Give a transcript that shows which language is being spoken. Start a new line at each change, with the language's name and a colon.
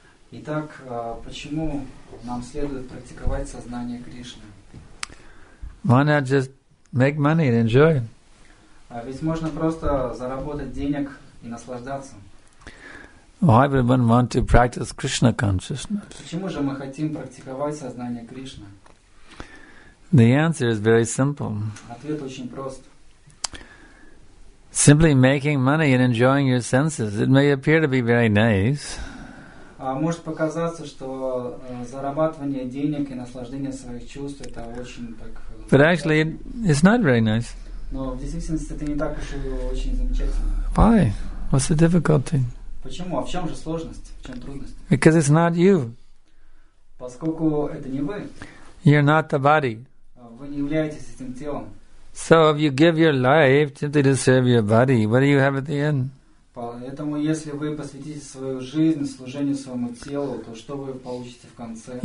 Russian: Итак, почему нам следует практиковать сознание Кришны?
English: Why not just make money and enjoy it?
Russian: Ведь можно просто заработать денег и наслаждаться.
English: Why would one want to practice Krishna consciousness?
Russian: Почему же мы хотим практиковать сознание Кришны?
English: The answer is very simple.
Russian: Ответ очень прост.
English: Simply making money and enjoying your senses. It may appear to be very nice.
Russian: Может показаться, что зарабатывание денег и наслаждение своих чувств это очень так.
English: But actually, it's not very nice.
Russian: Но в действительности это не так уж и очень замечательно.
English: Why? What's the difficulty?
Russian: Почему? А в чем же сложность? В чем трудность?
English: Because it's not you.
Russian: Поскольку это не вы.
English: You're not the body.
Russian: Вы не являетесь этим телом.
English: So if you give your life simply to serve your body, what do you have at the end?
Russian: Поэтому если вы посвятите свою жизнь служению своему телу, то что вы получите в конце?